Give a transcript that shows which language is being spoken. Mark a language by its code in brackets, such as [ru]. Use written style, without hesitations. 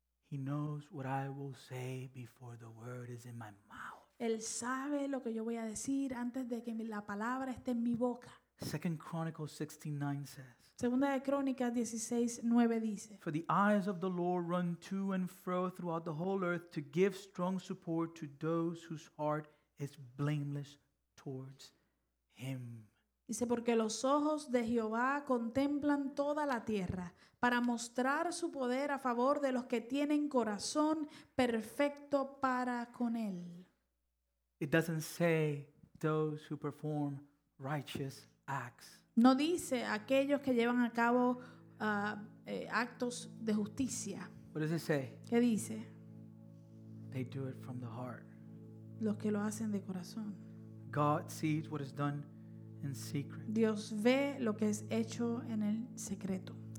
[en] He knows what I will say before the word is in my mouth. [es] Él sabe lo que yo voy a decir antes de que la palabra esté en mi boca. [en] 2 Chronicles 16:9 says. [es] Segunda de Crónicas 16:9 dice. [en] For the eyes of the Lord run to and fro throughout the whole earth to give strong support to those whose heart is blameless towards him. [es] Dice porque los ojos de Jehová contemplan toda la tierra para mostrar su poder a favor de los que tienen corazón perfecto para con él. [en] It doesn't say those who perform righteous acts. [es] No dice aquellos que llevan a cabo actos de justicia. [en] What does it say? [es] ¿Qué dice? [en] They do it from the heart. [es] Los que lo hacen de corazón. [en] God sees what is done in secret. [es] Dios ve lo que es hecho en el secreto.